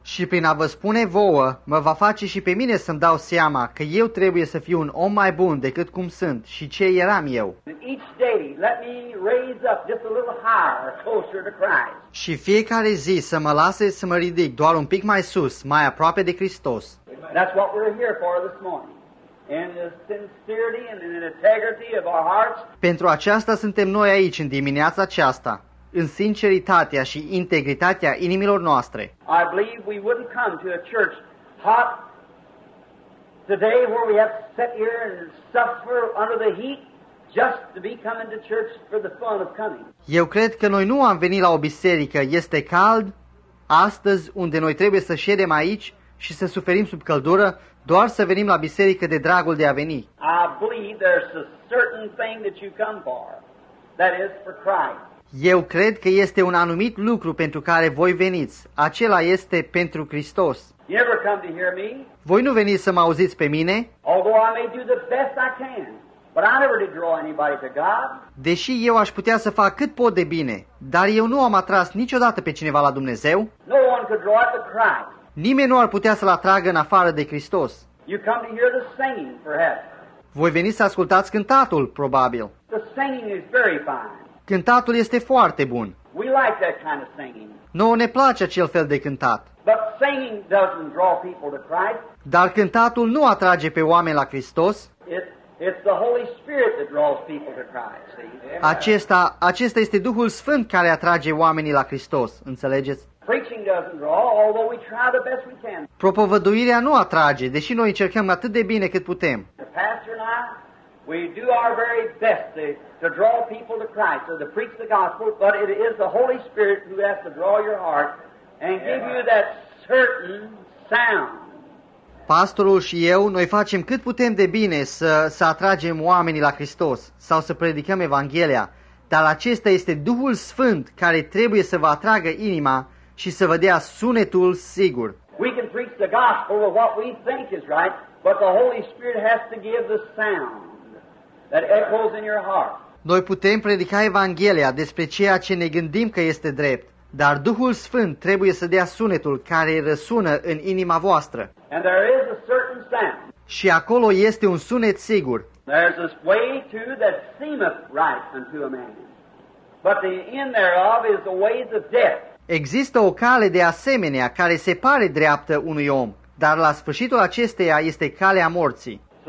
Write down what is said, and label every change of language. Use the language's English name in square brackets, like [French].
[Romanian] Și prin a vă spune vouă, mă va face și pe mine să-mi dau seama că eu trebuie să fiu un om mai bun decât cum sunt și ce eram eu. [English] And each day, let me raise up just a little higher, closer to Christ. [Romanian] Și fiecare zi să mă lase să mă ridic doar un pic mai sus, mai aproape de Hristos. [English] That's what we're here for this morning. And the sincerity and the integrity of our hearts. [Romanian] Pentru aceasta suntem noi aici în dimineața aceasta, în sinceritatea și integritatea inimilor noastre. [English] I believe we wouldn't come to a church hot today where we have to sit here and suffer under the heat just to be coming to church for the fun of coming. [Romanian] Eu cred că noi nu am venit la o biserică, este cald astăzi, unde noi trebuie să ședem aici și să suferim sub căldură, doar să venim la biserică de dragul de a veni. [English] I believe there's a certain thing that you come for, that is for Christ. [Romanian] Eu cred că este un anumit lucru pentru care voi veniți. Acela este pentru Hristos. [English] You never come to hear me. [Romanian] Voi nu veniți să mă auziți pe mine. [English] Although I may do the best I can, but I never did draw anybody to God. [Romanian] Deși eu aș putea să fac cât pot de bine, dar eu nu am atras niciodată pe cineva la Dumnezeu. [English] No one could draw it to Christ. [Romanian] Nimeni nu ar putea să-L atragă în afară de Hristos. [English] You come to hear the singing, perhaps. [Romanian] Voi veniți să ascultați cântatul, probabil. [English] The singing is very fine. [Romanian] Cântatul este foarte bun. [English] We like that kind of singing. [Romanian] Nouă ne place acel fel de cântat. [English] But singing doesn't draw people to Christ. [Romanian] Dar cântatul nu atrage pe oameni la Hristos. [English] It's the Holy Spirit that draws people to Christ, see? [Romanian] Acesta este Duhul Sfânt care atrage oamenii la Hristos, înțelegeți? [English] Preaching doesn't draw, although we try the best we can. [Romanian] Propovăduirea nu atrage, deși noi încercăm atât de bine cât putem. [English] The pastor and I, we do our very best to draw people to Christ, to preach the gospel, but it is the Holy Spirit who has to draw your heart and give you that certain sound. [Romanian] Pastorul și eu, noi facem cât putem de bine să atragem oamenii la Hristos sau să predicăm Evanghelia, dar acesta este Duhul Sfânt care trebuie să vă atragă inima și să vă dea sunetul sigur. [English] We can preach the gospel of what we think is right, but the Holy Spirit has to give the sound that echoes in your heart. [Romanian] Noi putem predica Evanghelia despre ceea ce ne gândim că este drept, dar Duhul Sfânt trebuie să dea sunetul care răsună în inima voastră. [English] And there is a certain sound. [Romanian] Și acolo este un sunet sigur. [English] There's a way too that seemeth right unto a man, but the end thereof is the ways of death. [Romanian] Există o cale de asemenea care se pare dreaptă unui om, dar la sfârșitul acesteia este calea morții.